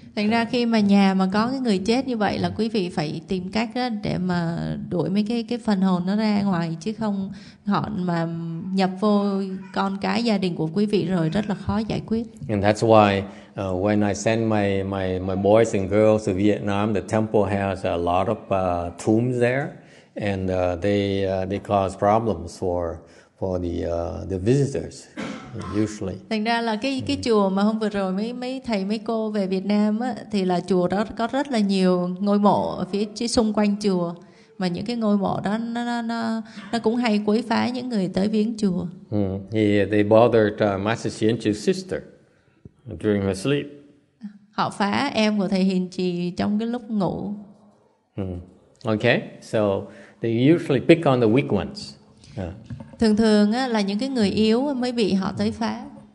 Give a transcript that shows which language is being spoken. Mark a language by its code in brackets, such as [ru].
[vi] Thành ra khi mà nhà mà có cái người chết như vậy là quý vị phải tìm cách đó để mà đuổi mấy cái phần hồn nó ra ngoài, chứ không họ mà nhập vô con cái gia đình của quý vị rồi rất là khó giải quyết. [en] And that's why when I send my boys and girls to Vietnam, the temple has a lot of tombs there, and they cause problems for for the visitors usually. [vi] Thành ra là cái chùa mà hôm vừa rồi mấy thầy mấy cô về Việt Nam á, thì là chùa đó có rất là nhiều ngôi mộ ở phía xung quanh chùa, mà những cái ngôi mộ đó nó cũng hay quấy phá những người tới viếng chùa. [en] They bothered Master Hsien-chu's sister during her sleep. [vi] Họ phá em của thầy Hiền Trì trong cái lúc ngủ. [en] Okay, so they usually pick on the weak ones. [vi] Thường thường á, là những cái người yếu mới bị họ tới phá.